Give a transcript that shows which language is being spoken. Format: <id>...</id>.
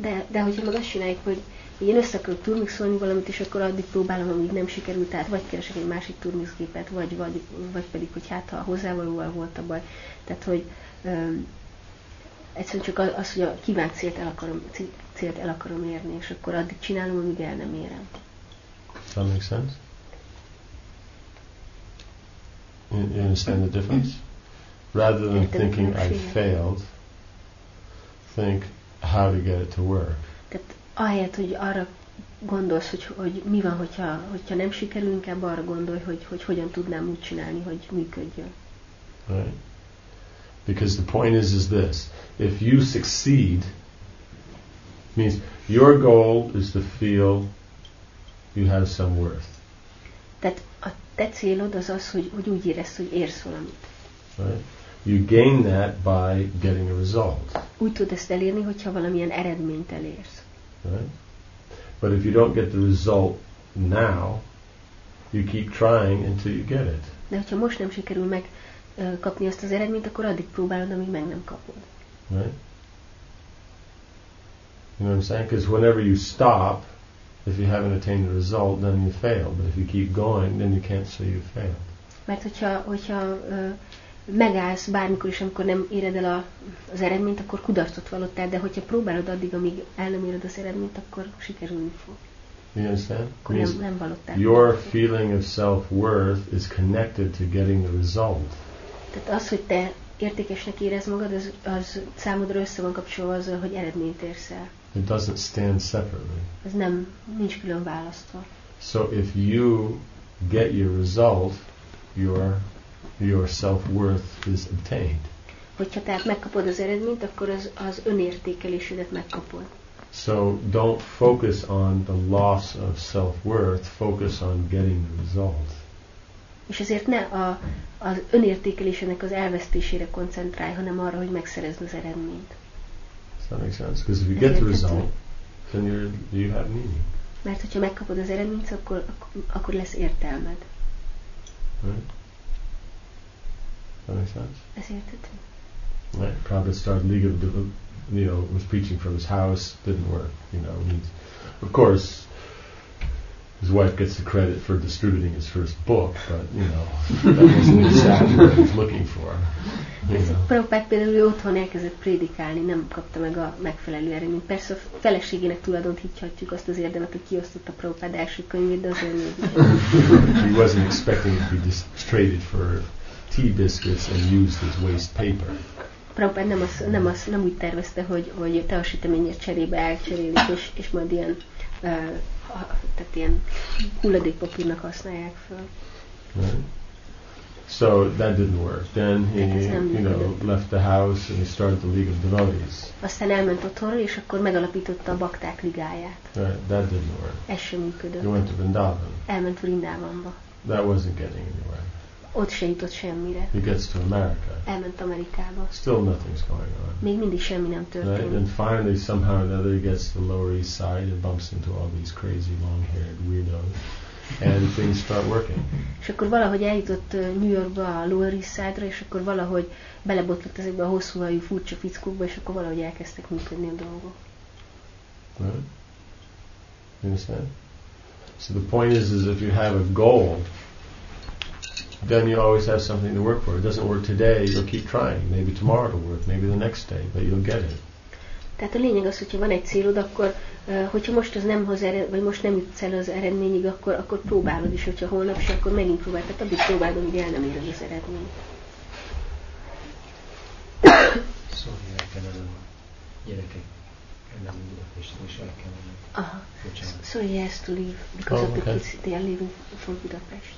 <hu>De hogyha meg azt csináljuk, hogy én össze akarok turmixolni valamit, és akkor addig próbálom, amíg nem sikerült, tehát vagy keresek egy másik turmixgépet, vagy pedig, hogy hát ha a hozzávalóval volt a baj, tehát hogy egyszerűen csak az, hogy a kívánt célt el akarom érni, és akkor addig csinálom, amíg el nem érem.</hu> <en>Does that make sense? You understand the difference? Rather than thinking I failed, think how to get it to work.</en> <hu>Tehát ahelyett, hogy arra gondolsz, hogy mi van, hogyha nem sikerül, inkább arra gondolj, hogy hogyan tudnám úgy csinálni, hogy működjön.</hu> <en>Right. Because the point is this: if you succeed, means your goal is to feel you have some worth.</en> <hu>Tehát a te célod az, hogy úgy érezd, hogy érsz valamit.</hu> <en>Right? You gain that by getting a result.</en> <hu>Úgy tud ezt elérni, hogyha valamilyen eredményt elérsz.</hu> <en>Right? But if you don't get the result now, you keep trying until you get it.</en> <hu>De hogyha most nem sikerül meg kapni azt az eredményt, akkor addig próbálod, amíg meg nem kapod.</hu> <en>Right? You know what I'm saying? Because whenever you stop, if you haven't attained the result, then you fail. But if you keep going, then you can't say you failed.</en> <hu>Mert hogyha megállsz bármikor is, amikor nem éred el az eredményt, akkor kudarcot vallottál, de hogyha próbálod addig, amíg el nem éred az eredményt, akkor sikerülni fog.</hu> <en>You understand?</en> <hu>Akkor nem vallottál.</hu> <en>Your feeling of self-worth is connected to getting the result.</en> <hu>Tehát az, hogy te értékesnek érezd magad, az számodra össze van kapcsolva azzal, hogy eredményt érsz el.</hu> <en>It doesn't stand separately.</en> <hu>Ez nem, nincs külön választva.</hu> <en>So if you get your result, your self-worth is obtained.</en> <hu>Hogyha tehát megkapod az eredményt, akkor az önértékelésedet megkapod.</hu> <en>So don't focus on the loss of self-worth, focus on getting the result.</en> <hu>És ezért ne az önértékelésének az elvesztésére koncentrálj, hanem arra, hogy megszerezd az eredményt.</hu> <en>Does that make sense? Because if you get the result, then you have meaning.</en> <hu>Mert hogyha megkapod az eredményt, akkor lesz értelmed.</hu> <en>Right? Does that make sense?</en> <hu>Ez érthető.</hu> <en>Right. Prabhupada started was preaching from his house, didn't work, you know. Of course, his wife gets the credit for distributing his first book, but, you know, that wasn't exactly what he was looking for.</en> <hu>Prabhupád például otthon elkezdett prédikálni, nem kapta meg a megfelelő eredményt. Persze a feleségének tulajdonhatjuk azt az érdemet, hogy kiosztott a Prabhupád első könyvét, de azért még.</hu> <en>He wasn't expecting to be distributed for tea biscuits and used his waste paper.</en> <hu>Prabhupád nem úgy tervezte, hogy teasüteményért cserébe elcserélik, és majd ilyen, tehát ilyen hulladékpapírnak használják föl.</hu> <en>Right. So that didn't work. Then he, you know, left the house and he started the League of Devotees.</en> <hu>Aztán elment otthonról, és akkor megalapította a bakták ligáját.</hu> <en>That didn't work.</en> <hu>Ez sem működött.</hu> <en>He went to Vrindavan.</en> <hu>Elment Vrindavanba.</hu> <en>That wasn't getting anywhere.</en> <hu>Ott se jutott semmire.</hu> <en>He gets to America.</en> <hu>Elment Amerikába.</hu> <en>Still nothing's going on.</en> <hu>Még mindig semmi nem történik.</hu> <en>Right? And finally, somehow or another, he gets to the Lower East Side and bumps into all these crazy long-haired weirdos. And things start working.</en> <hu>És akkor valahogy eljutott New Yorkba, a Lower East Side-ra, és akkor valahogy belebotlott ezekbe a hosszú hajú furcsa fickókba, és akkor valahogy elkezdtek működni a dolgok.</hu> <en>Right? Understand? So the point is if you have a goal, then you always have something to work for. If it doesn't work today, you'll keep trying. Maybe tomorrow it'll work, maybe the next day, but you'll get it.</en> <hu>Tehát a lényeg az, hogyha van egy célod, akkor hogyha most az nem hoz eredményt, vagy most nem jutsz el az eredményig, akkor próbálod is, hogyha holnap se, akkor megint próbálod. Tehát addig próbálod, amíg el nem érod az eredményt. Szóval el kellene a gyerekek ellen mindenek, és el kellene. Aha.</hu> <en>Szóval he has to leave, because of the kids, they are leaving for Budapest.</en>